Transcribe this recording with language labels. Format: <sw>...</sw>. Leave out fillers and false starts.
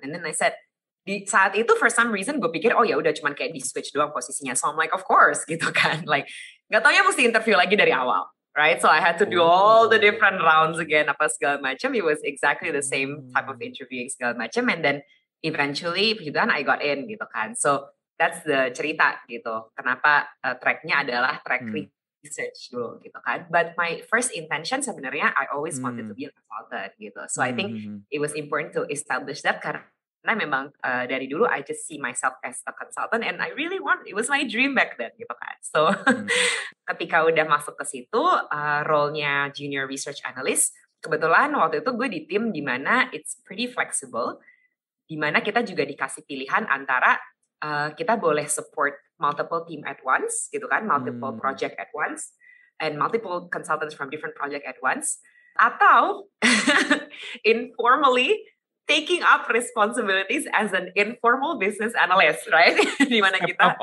<en>And then I said,</en> <id>di saat itu</id> <en>for some reason</en> <id>gue pikir, oh ya udah cuman kayak di switch doang posisinya.</id> <en>So I'm like, of course</en> <id>gitu kan.</id> <en>Like,</en> <id>gak taunya mesti interview lagi dari awal.</id> <en>Right, so I had to do all the different rounds again,</en> <id>apa segala macam.</id> <en>It was exactly the same type of interviewing</en> <id>segala macam,</id> <en>and then eventually,</en> <id>kemudian</id> <en>I got in</en> <id>gitu kan.</id> <en>So that's the</en> <id>cerita gitu. Kenapa tracknya adalah track research dulu gitu kan.</id> <en>But my first intention</en> <id>sebenarnya</id> <en>I always wanted to be a consultant</en> <id>gitu.</id> <en>So I think it was important to establish that</en> <id>karena memang dari dulu</id> <en>I just see myself as a consultant and I really want. It was my dream back then</en> <id>gitu kan.</id> <en>So</en> <id>ketika udah masuk ke situ, role-nya junior research analyst, kebetulan waktu itu gue di tim di mana</id> <en>it's pretty flexible,</en> <id>di mana kita juga dikasih pilihan antara kita boleh</id> <en>support multiple team at once,</en> <id>gitu kan,</id> <en>multiple project at once, and multiple consultants from different project at once,</en> <id>atau</id> <en>informally taking up responsibilities as an informal business analyst, right?</en> <id>Di mana kita</id>